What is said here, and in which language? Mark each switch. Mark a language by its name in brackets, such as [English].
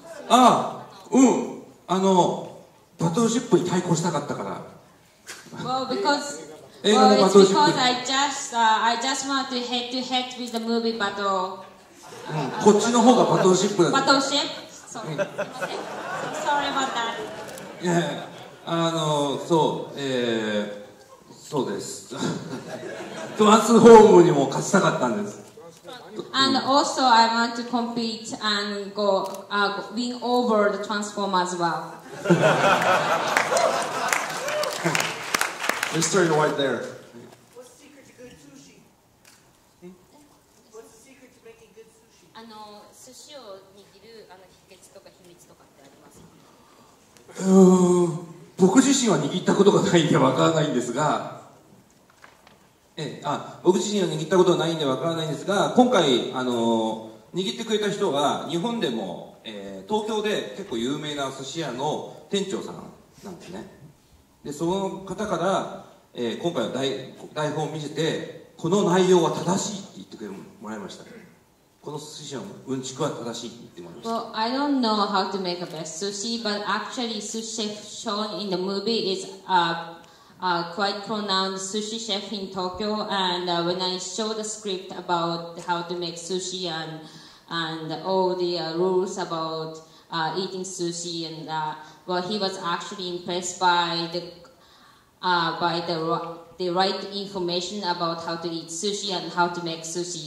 [Japanese] バトルシップに対抗したかったから。 [English] Well, because, well, it's because I just want to head to head with the movie battle. [Japanese] こっちの方がバトルシップだ。 [English] バトルシップ Sorry about that. [Japanese] そうです。トランスフォームにも勝ちたかったんです。 [English] And also, I want to compete and go, win over the Transformer as well. Mr. White, there. What's the secret to good sushi? What's the secret to making good sushi? [Japanese] Sushi を握る秘訣とか秘密とかってありますか？僕自身は握ったことがないんでわからないんですが。僕自身は握ったことはないんでわからないんですが、今回握ってくれた人は日本でも、東京で結構有名な寿司屋の店長さんなんですね。でその方から、今回の台本を見せて、この内容は正しいって言ってもらいました。この寿司屋のうんちくは正しいって言ってもらいました。 [English] Well, I don't know how to make a best sushi, but actually sushi chef shown in the movie is quite pronounced sushi chef in Tokyo, and when I show the script about how to make sushi and all the rules about eating sushi and that, well, he was actually impressed by the right information about how to eat sushi and how to make sushi.